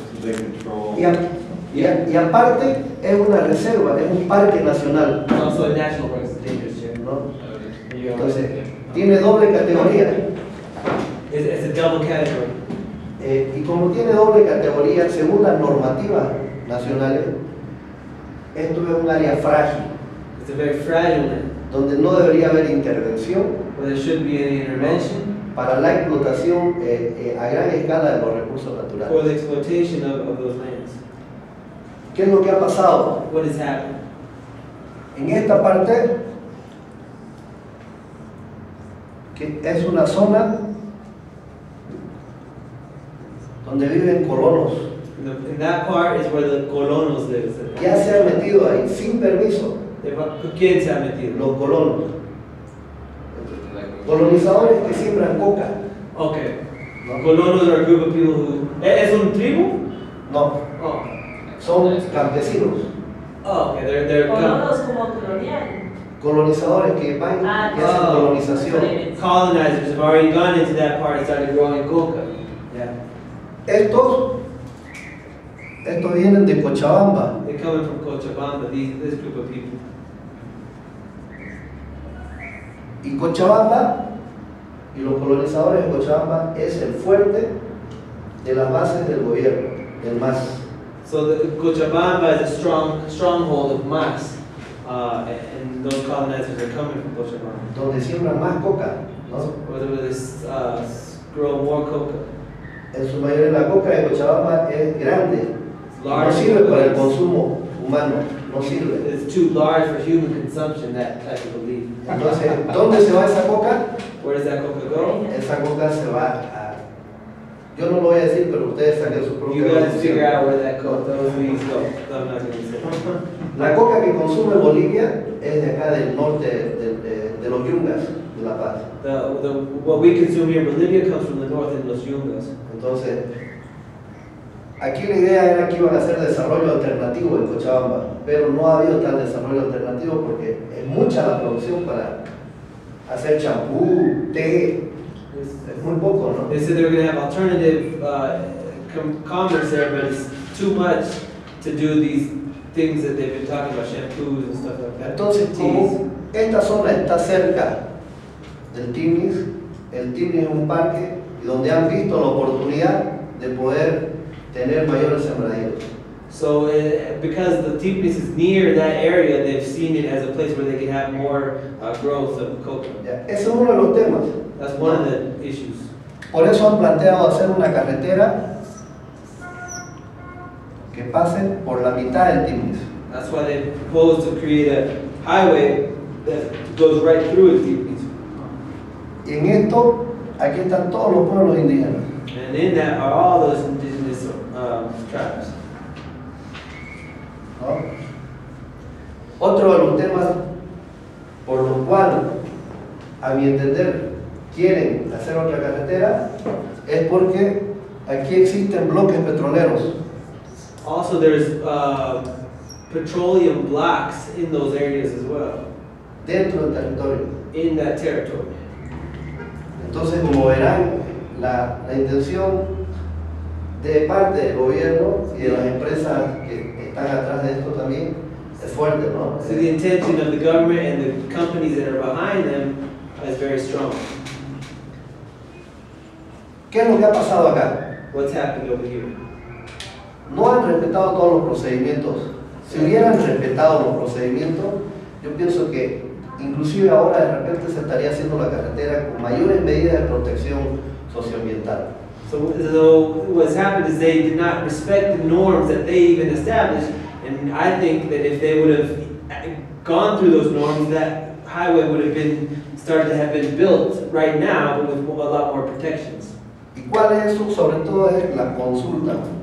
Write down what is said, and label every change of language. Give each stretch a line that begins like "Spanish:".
English: They control. Yeah.
Spanish: Yeah. Y aparte es una reserva, es un parque nacional.
English: No, so a national park is dangerous, yeah.
Spanish: No. Entonces, tiene doble categoría.
English: It's a double category.
Spanish: Y como tiene doble categoría, según las normativas nacionales, esto es un área frágil.
English: It's a very fragile land.
Spanish: Donde no debería haber intervención.
English: Where there shouldn't be any intervention. No.
Spanish: Para la explotación a gran escala de los recursos naturales.
English: For the exploitation of those lands.
Spanish: ¿Qué es lo que ha pasado?
English: What has happened?
Spanish: En esta parte, que es una zona donde viven colonos.
English: In that part is where the colonos live.
Spanish: Ya se ha metido ahí sin permiso. ¿Quién se ha metido? Los colonos. Colonizadores que siembran coca.
English: Okay. ¿No? Colonos are a group of people who.
Spanish: ¿Es un tribu? No. Oh. Son campesinos.
English: Oh, okay. They're
Spanish: colonos como colonial. Colonizadores que van y hacen colonización.
English: Colonizers have already gone into that part and started growing coca. Yeah.
Spanish: Estos vienen de Cochabamba.
English: They're coming from Cochabamba, this group of people.
Spanish: Y Cochabamba, y los colonizadores de Cochabamba, es el fuerte de las bases del gobierno, del MAS.
English: So Cochabamba is a stronghold of MAS, and those colonizers are coming from Cochabamba.
Spanish: Donde siembran más coca, ¿no?
English: Where they grow more coca.
Spanish: En su mayoría la coca de Cochabamba es grande. No sirve para el consumo humano. No sirve.
English: It's too large for human consumption, that type of leaf.
Spanish: Entonces, ¿dónde se va esa coca?
English: Where does that coca go?
Spanish: Esa coca se va a. Yo no lo voy a decir, pero ustedes saquen su propia
English: conclusión. You guys figure out where that coca goes. I'm not going to say.
Spanish: La coca que consume Bolivia es de acá del norte de los Yungas, de La Paz.
English: What we consume here in Bolivia comes from the north in Los Yungas.
Spanish: Entonces, aquí la idea era que iban a hacer desarrollo alternativo en Cochabamba, pero no ha habido tal desarrollo alternativo porque es mucha la producción para hacer champú, té, es muy poco, ¿no?
English: They said they were going to have alternative commerce there, but it's too much to do these things that they've been talking about, shampoos and stuff like that.
Spanish: Entonces, como esta zona está cerca del Tiflis, el Tiflis es un parque donde han visto la oportunidad de poder tener mayores sembradíos.
English: So, because the Tiflis is near that area, they've seen it as a place where they can have more growth of coca.
Spanish: Yeah. Ese es uno de los temas.
English: That's one of the issues.
Spanish: Por eso han planteado hacer una carretera que pase por la mitad del Tiflis.
English: That's why they proposed to create a highway that goes right through the Tiflis.
Spanish: Y en esto, aquí están todos los pueblos indígenas.
English: And in that are all those indigenous.
Spanish: ¿No? Otro de los temas por los cuales, a mi entender, quieren hacer otra carretera es porque aquí existen bloques petroleros.
English: Also, there's petroleum blocks in those areas as well.
Spanish: Dentro del territorio.
English: In that territory.
Spanish: Entonces, como verán, la intención de parte del gobierno y de las empresas que están atrás de esto también fuerte, ¿no?
English: So the intention of the government and the companies that are behind them is very strong.
Spanish: ¿Qué es lo que ha pasado acá?
English: What's happened over here?
Spanish: No han respetado todos los procedimientos. Si hubieran respetado los procedimientos, yo pienso que inclusive ahora de repente se estaría haciendo la carretera con mayores medidas de protección socioambiental.
English: So what's happened is they did not respect the norms that they even established, and I think that if they would have gone through those norms, that highway would have been started to have been built right now with a lot more protections.
Spanish: ¿Y cuál es eso? Sobre todo es la consulta.